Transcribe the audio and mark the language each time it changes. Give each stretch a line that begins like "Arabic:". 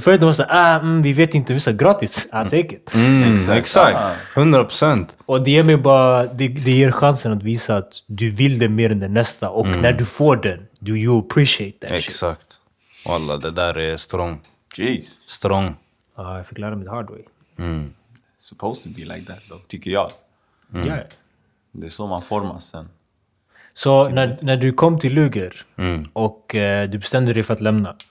Swedish: För de var så, vi vet inte, vi sa gratis,
English: I take it.
Swedish: Mm, exakt. 100%. Och det ger mig bara, det ger chansen att visa att du vill det mer än det nästa. Och när du får den,
English: do you appreciate that.
Swedish: Exakt. Shit. Walla, det där är strong. Jeez.
English: Strong.
Swedish: Jag fick lära mig
English: the hard way. Mm. Supposed to be like that, though,
Swedish: tycker jag. Mm. Yeah. Det är så man formas sen. Så när du kom till Luger och du bestämde dig för att lämna.